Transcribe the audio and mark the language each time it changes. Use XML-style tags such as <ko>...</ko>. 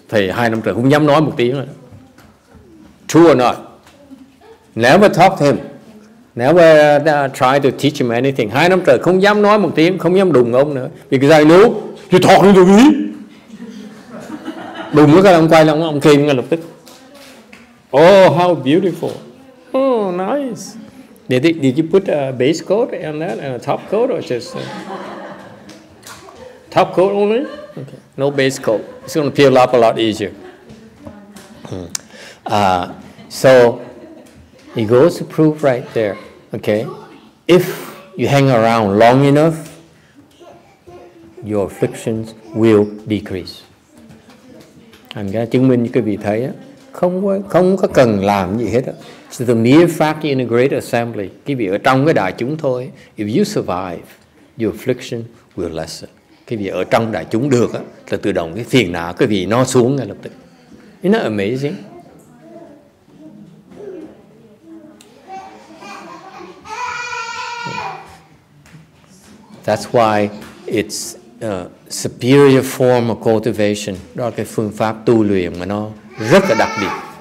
<vi>Thầy hai năm trời không dám nói một tiếng.</vi> <en>True or not? Never talk to him. Never try to teach him anything.</en> <vi>Hai năm trời không dám nói một tiếng, không dám đụng ông nữa.</vi> <en>Because I know you talking to me.</en> <vi>Đụng với cái ông quay lại, ông kêu ngay lập tức.</vi> <en>Oh, how beautiful. Oh, nice. Did you put a base coat on that, and a top coat, or just top coat only? Okay, no base coat. It's going to peel up a lot easier. So he goes to proof right there. Okay, if you hang around long enough, your afflictions will decrease.</en> <vi>Anh đã chứng minh như quý vị thấy á, không có cần làm gì hết á.</vi> <en>So the mere fact in a great assembly,</en> <vi>quý vị ở trong cái đại chúng thôi,</vi> <en>if you survive, your affliction will lessen.</en> <vi>Quý vị ở trong đại chúng được á, là tự động cái phiền não quý vị nó xuống ngay lập tức.</vi> <en>Isn't that amazing? That's why it's a superior form of cultivation.</en> <vi>Đó là cái phương pháp tu luyện mà nó rất là đặc biệt.</vi>